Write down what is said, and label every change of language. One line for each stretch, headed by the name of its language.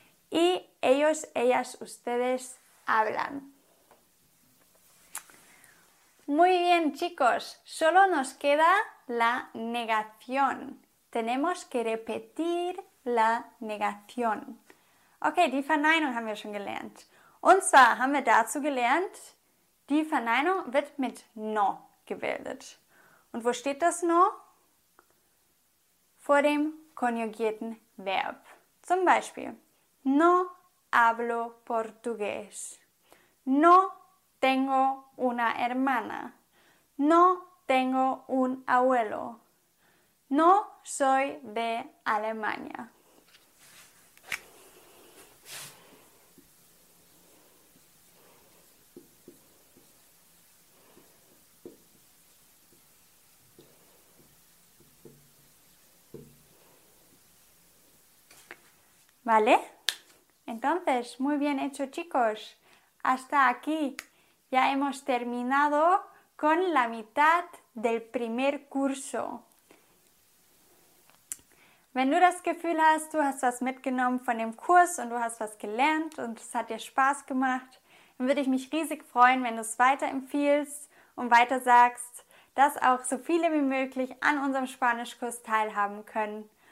Spanish: Y ellos, ellas, ustedes hablan. Muy bien, chicos. Solo nos queda la negación. Tenemos que repetir la negación.
German: Okay, die Verneinung haben wir schon gelernt. Und zwar haben wir dazu gelernt, die Verneinung wird mit no gebildet. Und wo steht das no? Vor dem konjugierten Verb. Zum Beispiel,
Spanish: no hablo portugués. No tengo una hermana. No tengo un abuelo. No soy de Alemania. ¿Vale? Entonces, muy bien hecho, chicos. Hasta aquí. Ya hemos terminado con la mitad del primer curso.
German: Wenn du das Gefühl hast, du hast was mitgenommen von dem Kurs und du hast was gelernt und es hat dir Spaß gemacht, dann würde ich mich riesig freuen, wenn du es weiterempfiehlst und weiter sagst, dass auch so viele wie möglich an unserem Spanischkurs teilhaben können.